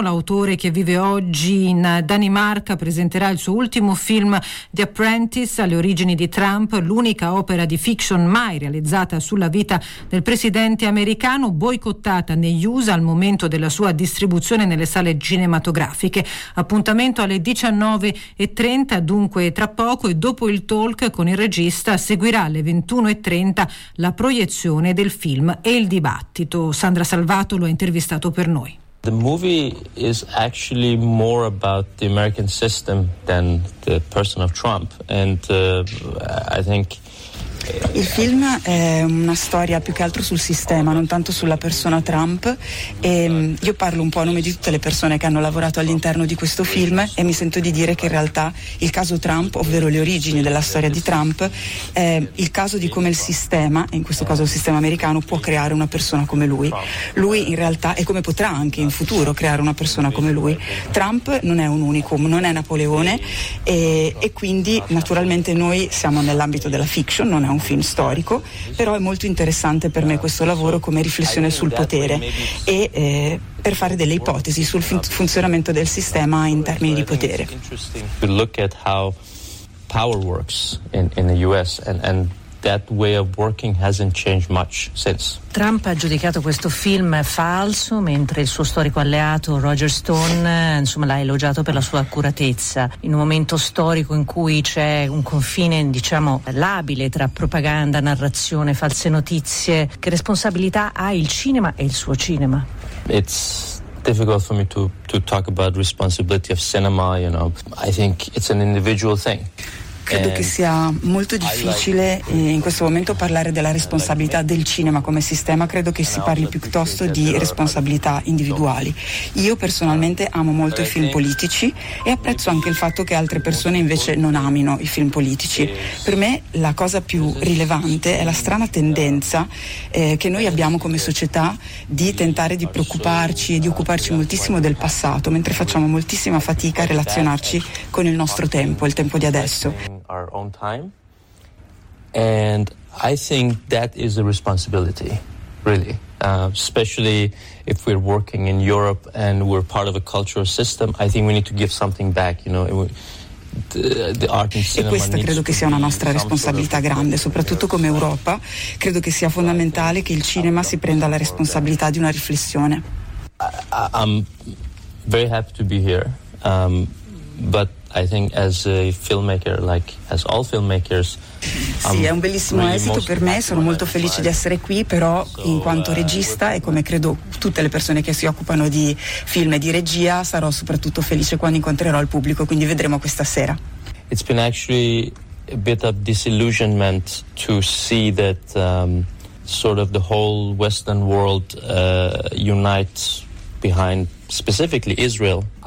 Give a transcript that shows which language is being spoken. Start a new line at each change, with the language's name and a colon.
Italian: L'autore, che vive oggi in Danimarca, presenterà il suo ultimo film The Apprentice, alle origini di Trump, l'unica opera di fiction mai realizzata sulla vita del presidente americano, boicottata negli USA al momento della sua distribuzione nelle sale cinematografiche. Appuntamento alle 19:30, dunque tra poco, e dopo il talk con il regista seguirà alle 21:30 la proiezione del film e il dibattito. Sandra Salvato lo ha intervistato per noi.
English: The movie is actually more about the American system than the person of Trump, and I think
Italian: il film è una storia più che altro sul sistema, non tanto sulla persona Trump, e io parlo un po' a nome di tutte le persone che hanno lavorato all'interno di questo film e mi sento di dire che in realtà il caso Trump, ovvero le origini della storia di Trump, è il caso di come il sistema, in questo caso il sistema americano, può creare una persona come lui. Lui in realtà, e come potrà anche in futuro creare una persona come lui. Trump non è un unicum, non è Napoleone, e quindi naturalmente noi siamo nell'ambito della fiction, non è un film storico, però è molto interessante per me questo lavoro come riflessione sul potere e per fare delle ipotesi sul funzionamento del sistema in termini di potere.
English: We look at how power works in the US and that way of working hasn't changed much since.
Italian: Trump ha giudicato questo film falso, mentre il suo storico alleato Roger Stone insomma l'ha elogiato per la sua accuratezza. In un momento storico in cui c'è un confine, diciamo, labile tra propaganda, narrazione, false notizie, che responsabilità ha il cinema e il suo cinema?
English: It's difficult for me to talk about responsibility of cinema, you know. I think it's an individual thing.
Italian: Credo che sia molto difficile in questo momento parlare della responsabilità del cinema come sistema, credo che si parli piuttosto di responsabilità individuali. Io personalmente amo molto i film politici e apprezzo anche il fatto che altre persone invece non amino i film politici. Per me la cosa più rilevante è la strana tendenza che noi abbiamo come società di tentare di preoccuparci e di occuparci moltissimo del passato, mentre facciamo moltissima fatica a relazionarci con il nostro tempo, il tempo di adesso.
English: Our own time, and I think that is a responsibility, really, especially if we're working in Europe and we're part of a cultural system. I think we need to give something back, you know.
Italian: E questa credo che sia una nostra responsabilità grande, soprattutto come Europa. Credo che sia fondamentale che il cinema si prenda la responsabilità di una riflessione.
English: I'm very happy to be here, but I think as a filmmaker, like as all filmmakers,
Italian: sì, è un bellissimo esito per me, sono molto felice di essere qui, però in quanto regista e come credo tutte le persone che si occupano di film e di regia, sarò soprattutto felice quando incontrerò il pubblico, quindi vedremo questa sera.
English: It's been actually a bit of disillusionment to see that sort of the whole Western world unite behind specifically Israel.